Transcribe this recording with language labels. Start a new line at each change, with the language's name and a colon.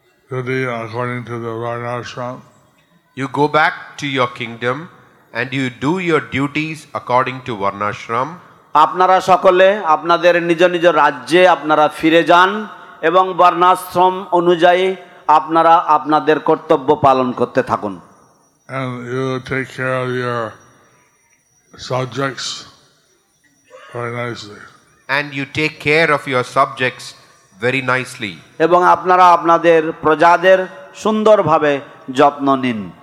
English: you go back to your kingdom and you do your duties according to varnashram.
Bangla: আপনারা সকলে আপনাদের নিজ নিজ রাজ্যে আপনারা ফিরে যান এবং বর্ণাশ্রম অনুযায়ী আপনারা আপনাদের কর্তব্য পালন করতে থাকুন।
English: And you take care of your subjects very nicely. And you take care of your subjects very nicely.
Bangla: এবং আপনারা আপনাদের প্রজাদের সুন্দরভাবে যত্ন নিন।